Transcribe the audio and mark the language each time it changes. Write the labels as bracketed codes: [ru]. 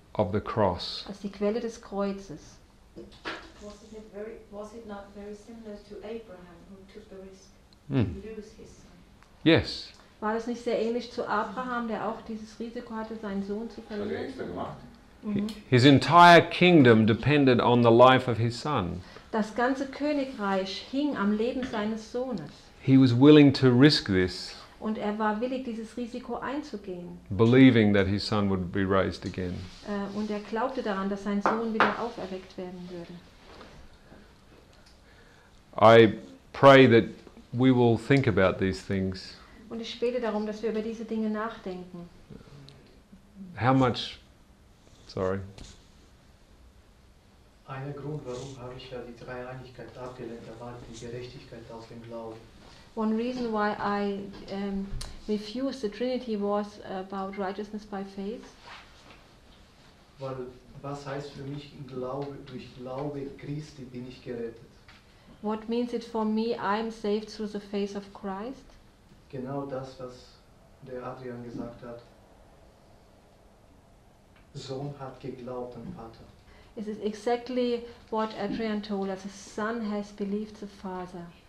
[en] Of the cross. [de] Als die Quelle des Kreuzes. [en] Was it not very similar to Abraham who took the risk to lose his son? Yes. [de] War das nicht sehr ähnlich zu Abraham, der auch dieses Risiko hatte, seinen Sohn zu verlieren? [en] His entire kingdom depended on the life of his son. [de] Das ganze Königreich hing am Leben seines Sohnes. [en] He was willing to risk this. [de] Und er war willig, dieses Risiko einzugehen. [en] Believing that his son would be raised again. [de] Und er glaubte daran, dass sein Sohn wieder auferweckt werden würde. [en] I pray that we will think about these things. [de] Und ich bete darum, dass wir über diese Dinge nachdenken. Einer Grund, warum habe ich ja die Dreieinigkeit abgelehnt, da war die Gerechtigkeit aus dem Glauben. [en] One reason why I refused the Trinity was about righteousness by faith. [de] Weil was heißt für mich im Glaube, durch Glaube Christi bin ich gerettet. [en] What means it for me, I'm saved through the faith of Christ? [de] Genau das, was der Adrian gesagt hat. Sohn hat geglaubt an Vater. [en] This is exactly what Adrian told us. The Son has believed the Father.